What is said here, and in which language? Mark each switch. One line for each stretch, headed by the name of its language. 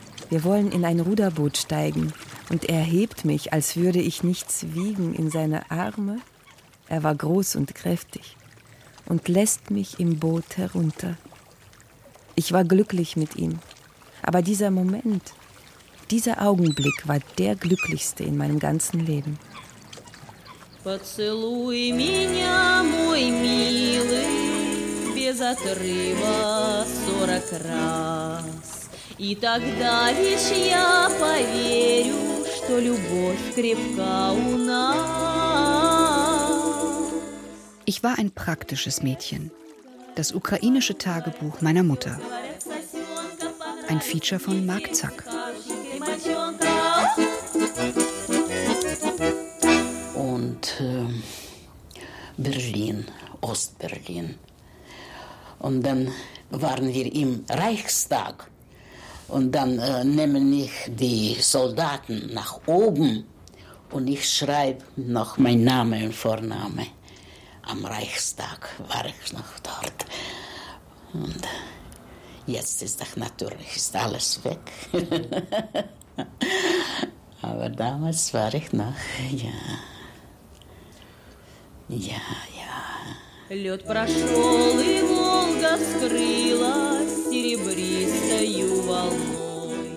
German: Wir wollen in ein Ruderboot steigen und er hebt mich, als würde ich nichts wiegen, in seine Arme. Er war groß und kräftig und lässt mich im Boot herunter. Ich war glücklich mit ihm, aber dieser Moment, dieser Augenblick war der glücklichste in meinem ganzen Leben.
Russian: Поцелуй меня, мой милый, без отрыва 40 раз. И тогда лишь я поверю, что любовь крепка у нас.
German: Ich war ein praktisches Mädchen. Das ukrainische Tagebuch meiner Mutter. Ein Feature von Marc Zack. Und Berlin, Ostberlin. Und dann waren wir im Reichstag. Und dann nehmen mich die Soldaten nach oben. Und ich schreibe noch mein Name und Vorname. Am Reichstag war ich noch dort. Und jetzt ist doch natürlich ist alles weg. Aber damals war ich noch, ja. Ja, ja.
Russian: Лёд прошёл, и Волга скрылась серебристою волной.